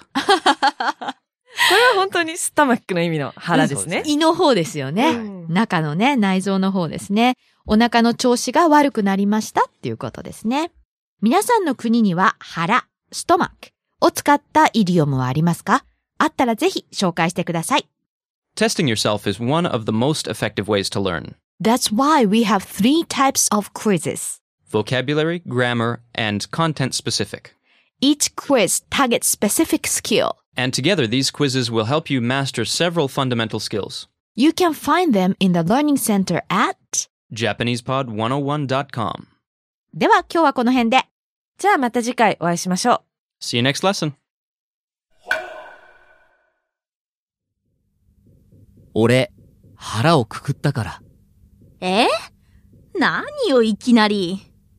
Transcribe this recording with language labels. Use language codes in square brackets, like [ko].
[ja] これは本当にスタマックの意味の腹ですね。胃の方ですよね。中のね、内臓の方ですね。お腹の調子が悪くなりましたっていうことですね。皆さんの国には腹、ストマックを使ったイディオムはありますか？あったらぜひ紹介してください。 [en] Testing yourself is one of the most effective ways to learn. That's why we have three types of quizzes. Vocabulary, grammar, and content specific. Each quiz targets specific skill. And together, these quizzes will help you master several fundamental skills. You can find them in the Learning Center at JapanesePod101.com. [ja] では今日はこの辺で。じゃあまた次回お会いしましょう。 [en] See you next lesson. [ja] 俺、腹をくくったから。え？何をいきなり。